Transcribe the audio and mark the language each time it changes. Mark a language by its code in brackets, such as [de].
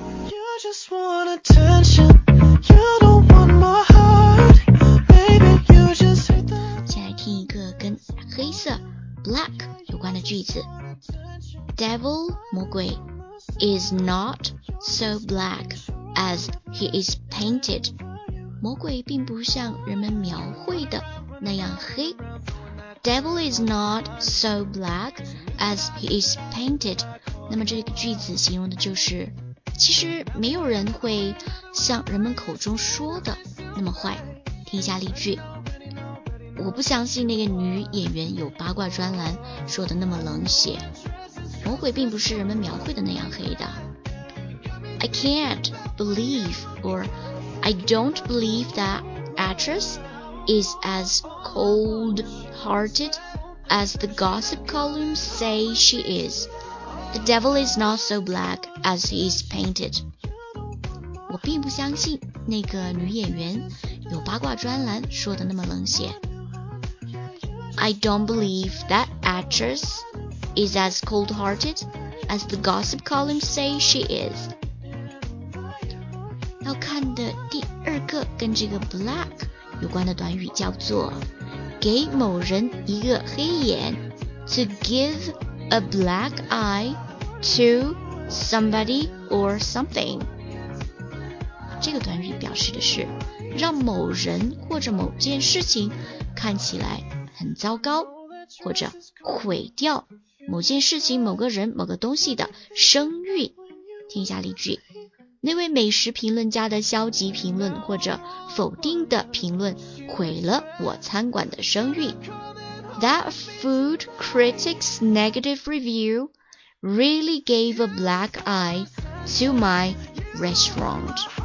[en] You just want attention, you don't want my heart, baby. You just hate the. [zh] 先来听一个跟黑色 black 有关的句子。 [en] Devil 魔鬼 is not so black as he is painted. [zh] 魔鬼并不像人们描绘的那样黑。 [en] Devil is not so black as he is painted. [zh] 那么这个句子形容的就是，其实没有人会像人们口中说的那么坏。听一下例句。我不相信那个女演员有八卦专栏说的那么冷血。魔鬼并不是人们描绘的那样黑的。 [en] I can't believe, or I don't believe that actress is as cold. Hearted as the gossip columns say she is. The devil is not so black as he is painted. [zh] 我并不相信那个女演员有八卦专栏说的那么冷血。 [en] I don't believe that actress is as cold-hearted as the gossip columns say she is. [zh] 要看的第二个跟这个 black 有关的短语叫做给某人一个黑眼 [en] To give a black eye to somebody or something [zh] 这个短语表示的是让某人或者某件事情看起来很糟糕或者毁掉某件事情某个人某个东西的声誉听一下例句那位美食评论家的消极评论或者否定的评论毁了我餐馆的声誉。 [en] That food critic's negative review really gave a black eye to my restaurant.